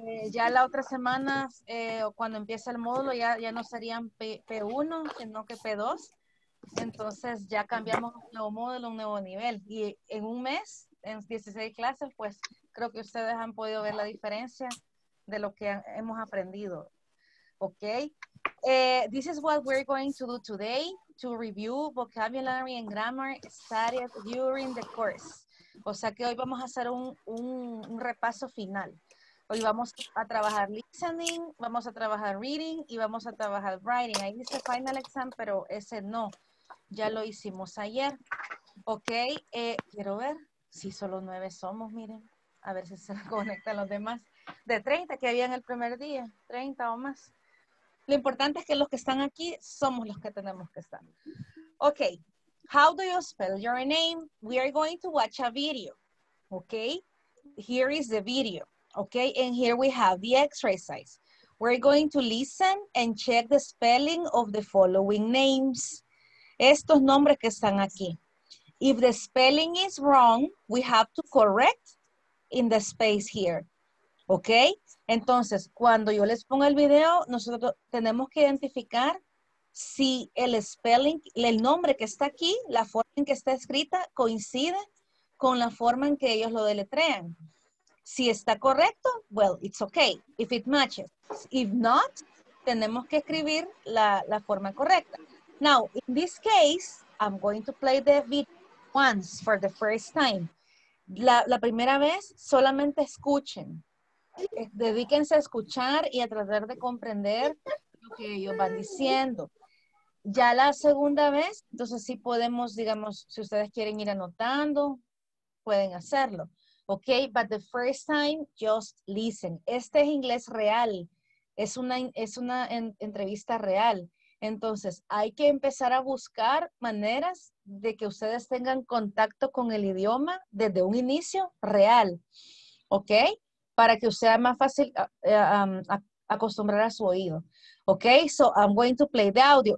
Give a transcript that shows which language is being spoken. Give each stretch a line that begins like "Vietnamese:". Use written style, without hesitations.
Spanish: Ya la otra semana, cuando empieza el módulo, ya no serían P1, sino que P2. Entonces ya cambiamos un nuevo módulo, un nuevo nivel. Y en un mes, en 16 clases, pues creo que ustedes han podido ver la diferencia de lo que hemos aprendido. Ok.
English: This is what we're going to do today, to review vocabulary and grammar studied during the course.
Spanish: O sea que hoy vamos a hacer un repaso final. Hoy vamos a trabajar listening, vamos a trabajar reading y vamos a trabajar writing. Ahí dice final exam, pero ese no. Ya lo hicimos ayer. Ok, quiero ver si solo 9 somos, miren. A ver si se conectan los demás. De 30 que había en el primer día, 30 o más. Lo importante es que los que están aquí somos los que tenemos que estar.
English: Ok, how do you spell your name? We are going to watch a video. Ok, here is the video. Okay, and here we have the exercise. We're going to listen and check the spelling of the following names.
Spanish: Estos nombres que están aquí.
English: If the spelling is wrong, we have to correct in the space here. Okay?
Spanish: Entonces, cuando yo les ponga el video, nosotros tenemos que identificar si el spelling, el nombre que está aquí, la forma en que está escrita, coincide con la forma en que ellos lo deletrean. Si está correcto,
English: well, it's okay, if it matches. If not,
Spanish: tenemos que escribir la forma correcta.
English: Now, in this case, I'm going to play the video once for the first time.
Spanish: La primera vez, solamente escuchen. Dedíquense a escuchar y a tratar de comprender lo que ellos van diciendo. Ya la segunda vez, entonces sí podemos, digamos, si ustedes quieren ir anotando, pueden hacerlo.
English: Okay, but the first time, just listen.
Spanish: Este es inglés real. Es una entrevista real. Entonces, hay que empezar a buscar maneras de que ustedes tengan contacto con el idioma desde un inicio real. Okay, para que sea más fácil acostumbrar a su oído.
English: Okay, so I'm going to play the audio.